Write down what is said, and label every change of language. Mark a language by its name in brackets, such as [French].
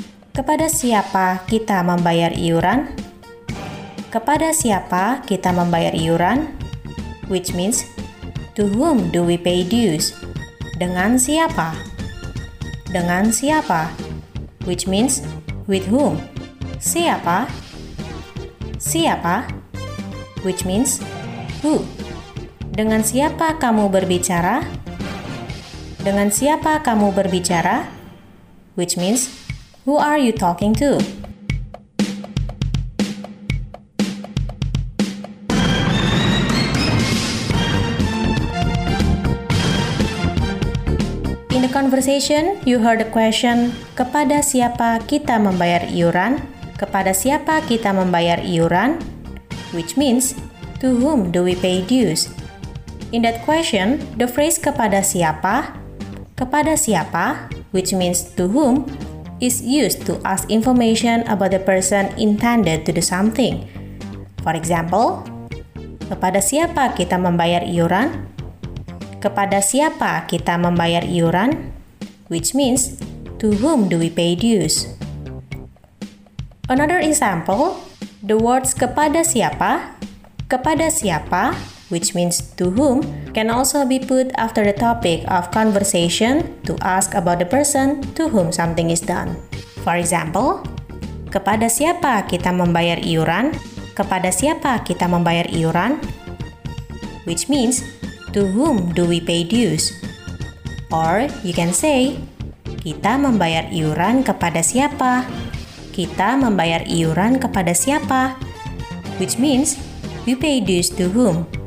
[Indonesian] Kepada siapa kita membayar iuran? Kepada siapa kita membayar iuran? [English] Which means, to whom do we pay dues? [Indonesian] Dengan siapa? Dengan siapa? [English] Which means, with whom? [Indonesian] Siapa? Siapa? [English] Which means, who? [Indonesian] Dengan siapa kamu berbicara? Dengan siapa kamu berbicara? [English] Which means, who are you talking to? In the conversation, you heard the question, [Indonesian] kepada siapa kita membayar iuran? Kepada siapa kita membayar iuran? [English] Which means, to whom do we pay dues? In that question, the phrase kepada siapa, which means to whom, is used to ask information about the person intended to do something. For example, [Indonesian] kepada siapa kita membayar iuran? Kepada siapa kita membayar iuran? [English] Which means, to whom do we pay dues? Another example, the words kepada siapa, which means to whom, can also be put after the topic of conversation to ask about the person to whom something is done. For example, [Indonesian] kepada siapa kita membayar iuran? Kepada siapa kita membayar iuran? [English] Which means, to whom do we pay dues? Or you can say, [Indonesian] kita membayar iuran kepada siapa? Kita membayar iuran kepada siapa? [English] Which means, we pay dues to whom?